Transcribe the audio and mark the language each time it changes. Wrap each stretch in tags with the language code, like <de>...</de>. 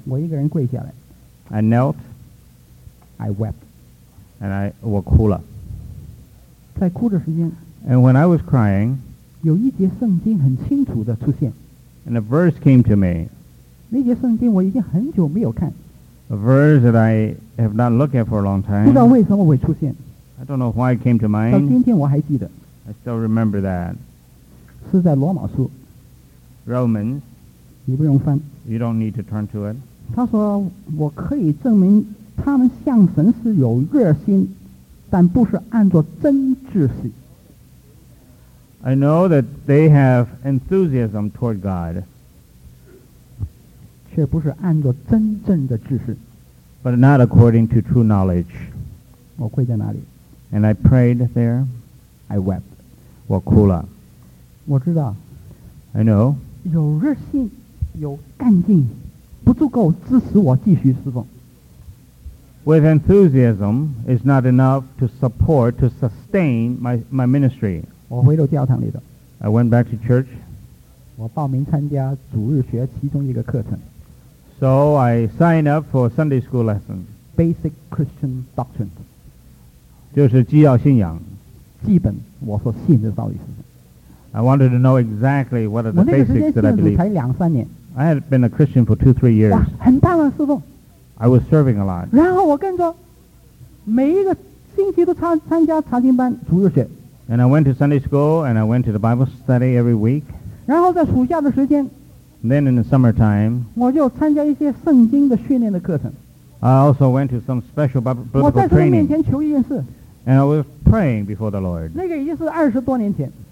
<zh>我一个人跪下来。</zh> <en>I knelt. I wept. And I</en> <zh>我哭了。在哭的时间。</zh> <en>And when I was crying,</en> <zh>有一节圣经很清楚的出现。</zh> <en>And a verse came to me.</en> <zh>那节圣经我已经很久没有看。</zh> <en>A verse that I have not looked at for a long time.</en> <zh>不知道为什么会出现。</zh> <en>I don't know why it came to mind.</en> <zh>到今天我还记得。</zh> <en>I still remember that.</en> <zh>是在罗马书。</zh> <en>Romans,</en> <zh>你不用翻。</zh> <en>You don't need to turn to it.</en> <zh>他说我可以证明他们向神是有热心，但不是按照真秩序。</zh> <en>I know that they have enthusiasm toward God.</en> <zh>却不是按照真正的知识。</zh> <en>But not according to true knowledge.</en> <zh>我跪在那里。</zh> <en>And I prayed there. I wept.</en> <zh>我哭了。我知道。</zh> <en>I know.</en> <zh>有热心，有干劲，不足够支持我继续侍奉。</zh> <en>With enthusiasm is not enough to support, to sustain my ministry.</en> <zh>我回到教堂里的。</zh> <en>I went back to church.</en> <zh>我报名参加主日学其中一个课程。</zh> <en>So I signed up for a Sunday school lesson. Basic Christian doctrine.</en> <zh>就是基要信仰。基本我所信的道理是。</zh> <en>I wanted to know exactly what are the basics that I believe.</en> <zh>才两三年。</zh> <en>I had been a Christian for 2-3 years.</en> <zh>哇，很棒啊，师父。</zh> <en>I was serving a lot.</en> <zh>然后我跟着每一个星期都参加查经班主日学。</zh> <en>And I went to Sunday school and I went to the Bible study every week.</en> <zh>然后在暑假的时间。</zh> <en>And then in the summertime,</en> <zh>我就参加一些圣经的训练的课程。</zh> <en>I also went to some special biblical training.</en> <zh>我在神面前求一件事。</zh> <en>And I was praying before the Lord.</en> <zh>那个已经是二十多年前。</zh>